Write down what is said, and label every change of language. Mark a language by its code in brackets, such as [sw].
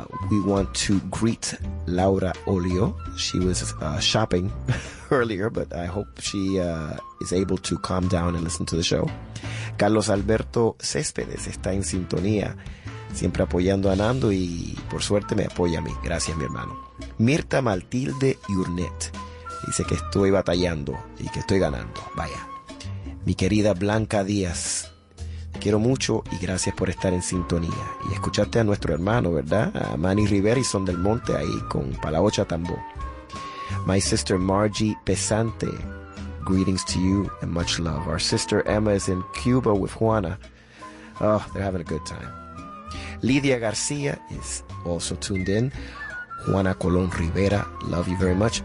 [en] We want to greet Laura Olio. She was shopping earlier, but I hope she is able to calm down and listen to the show. [es] Carlos Alberto Céspedes está en sintonía, siempre apoyando a Nando y por suerte me apoya a mí. Gracias, mi hermano. Mirta Matilde Yurnet dice que estoy batallando y que estoy ganando. Vaya. Mi querida Blanca Díaz, quiero mucho y gracias por estar en sintonía. Y escuchaste a nuestro hermano, ¿verdad? A Manny Rivera y Son del Monte ahí con Palaocha Tambo. [en] My sister Margie Pesante, greetings to you and much love. Our sister Emma is in Cuba with Juana. Oh, they're having a good time. Lidia García is also tuned in. Juana Colón Rivera, love you very much.